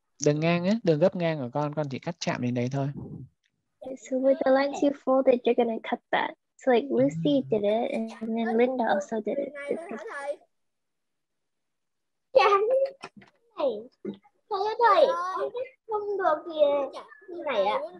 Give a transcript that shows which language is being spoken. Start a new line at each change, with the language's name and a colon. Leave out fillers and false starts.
Vietnamese: Đường ngang á, đường gấp ngang của con chỉ cắt chạm đến đấy thôi.
English: So with the lines you folded, you're gonna cut that. So like Lucy did it, and then Linda also did it. Yeah.
Vietnamese: Thầy. Thầy ơi thầy, không được gì này ạ.